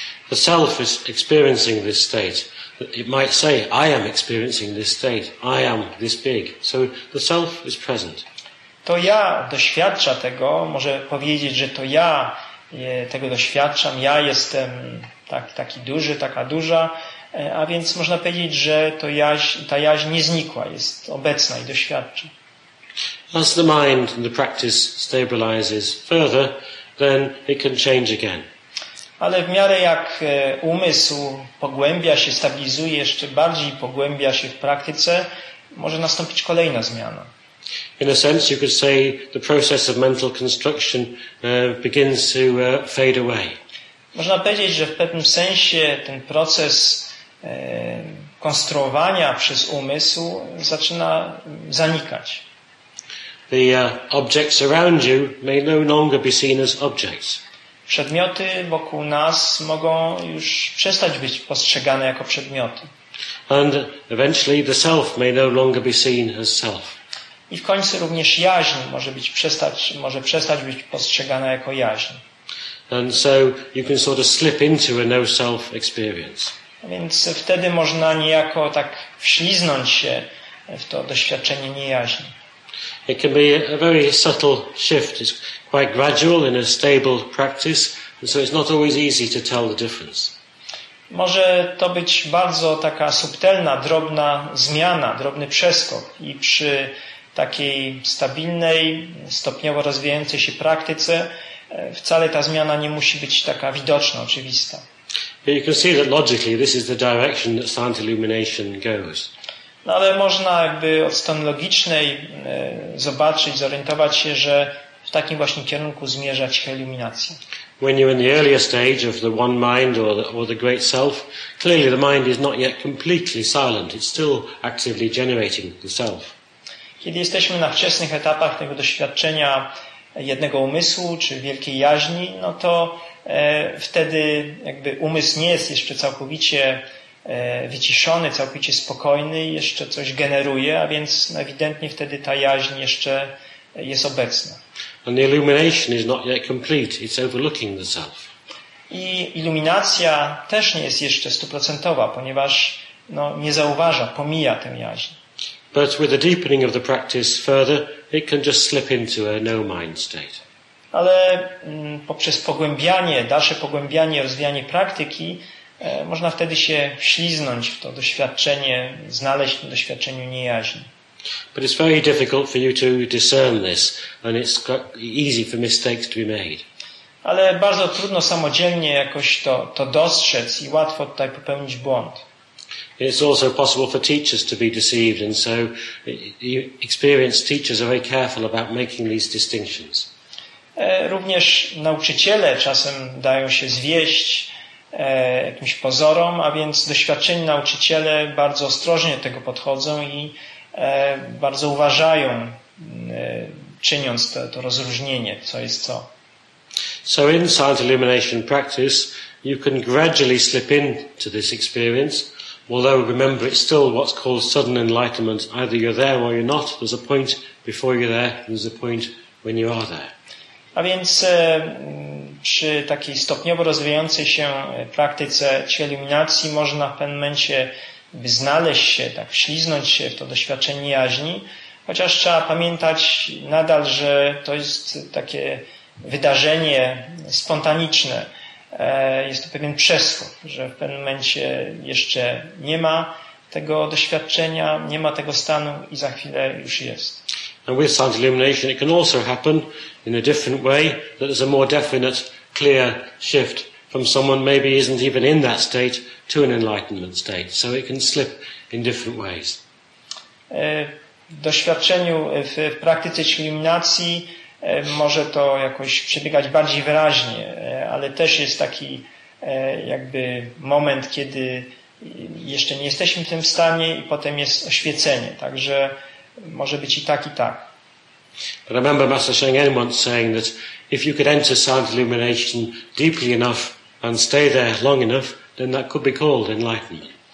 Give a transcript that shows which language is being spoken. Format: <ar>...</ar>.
<en>The self is experiencing this state. It might say, I am experiencing this state, I am this big. So the self is present.</en> <pl>To ja doświadcza tego, może powiedzieć, że to ja tego doświadczam, ja jestem taki duży, taka duża. A więc można powiedzieć, że ta jaźń nie znikła, jest obecna i doświadcza.</pl> <en>As the mind and the practice stabilizes further, then it can change again.</en> <pl>Ale w miarę jak umysł pogłębia się, stabilizuje, jeszcze bardziej pogłębia się w praktyce, może nastąpić kolejna zmiana.</pl> <en>In a sense you could say the process of mental construction begins to fade away.</en> <pl>Można powiedzieć, że w pewnym sensie ten proces konstruowania przez umysł zaczyna zanikać.</pl> <en>The objects around you may no longer be seen as objects.</en> <pl>Przedmioty wokół nas mogą już przestać być postrzegane jako przedmioty.</pl> <en>And eventually the self may no longer be seen as self.</en> <pl>I w końcu również jaźń może przestać być postrzegana jako jaźń.</pl> <en>And so you can sort of slip into a no-self experience.</en> <pl>Więc wtedy można niejako tak wśliznąć się w to doświadczenie niejaźni.</pl> <en>It can be a very subtle shift. It's quite gradual in a stable practice, and so it's not always easy to tell the difference.</en> <pl>Może to być bardzo taka subtelna, drobna zmiana, drobny przeskok i przy takiej stabilnej, stopniowo rozwijającej się praktyce wcale ta zmiana nie musi być taka widoczna, oczywista.</pl> <en>But you can see that logically this is the direction that silent illumination goes.</en> <pl>No ale można jakby od strony logicznej zobaczyć, zorientować się, że w takim właśnie kierunku zmierza cicha iluminacja.</pl> <en>When you're in the earlier stage of the one mind or the great self, clearly the mind is not yet completely silent. It's still actively generating the self.</en> <pl>Kiedy jesteśmy na wczesnych etapach tego doświadczenia jednego umysłu czy wielkiej jaźni, no to wtedy jakby umysł nie jest jeszcze całkowicie wyciszony, całkowicie spokojny, jeszcze coś generuje, a więc ewidentnie wtedy ta jaźń jeszcze jest obecna.</pl> <en>And the illumination is not yet complete. It's overlooking the self.</en> <pl>I iluminacja też nie jest jeszcze stuprocentowa, ponieważ no, nie zauważa, pomija tę jaźń.</pl> <en>But with the deepening of the practice further, it can just slip into a no mind state.</en> <pl>Ale poprzez pogłębianie, dalsze pogłębianie, rozwijanie praktyki, można wtedy się wśliznąć w to doświadczenie, znaleźć w doświadczeniu niejaźni.</pl> <en>But it's very difficult for you to discern this, and it's easy for mistakes to be made.</en> <pl>Ale bardzo trudno samodzielnie jakoś to dostrzec i łatwo tutaj popełnić błąd.</pl> <en>It's also possible for teachers to be deceived, and so experienced teachers are very careful about making these distinctions.</en> <pl>Również nauczyciele czasem dają się zwieść jakimś pozorom, a więc doświadczeni nauczyciele bardzo ostrożnie do tego podchodzą i bardzo uważają, czyniąc to rozróżnienie, co jest co.</pl> <en>So in silent illumination practice, you can gradually slip into this experience, although remember it's still what's called sudden enlightenment. Either you're there or you're not. There's a point before you're there, there's a point when you are there.</en> <pl>A więc przy takiej stopniowo rozwijającej się praktyce cicha iluminacji można w pewnym momencie znaleźć się, tak wśliznąć się w to doświadczenie jaźni, chociaż trzeba pamiętać nadal, że to jest takie wydarzenie spontaniczne. Jest to pewien przeskok, że w pewnym momencie jeszcze nie ma tego doświadczenia, nie ma tego stanu i za chwilę już jest.</pl> <en>And with silent illumination it can also happen in a different way, that there's a more definite, clear shift from someone maybe isn't even in that state to an enlightenment state. So it can slip in different ways.</en> <pl>W doświadczeniu, w praktyce iluminacji może to jakoś przebiegać bardziej wyraźnie, ale też jest taki jakby moment, kiedy jeszcze nie jesteśmy w tym stanie i potem jest oświecenie. Także może być i tak, i tak.</pl> <en>But I remember Master Shengen once saying that if you could enter silent illumination deeply enough and stay there long enough, then that could be called enlightenment.</en>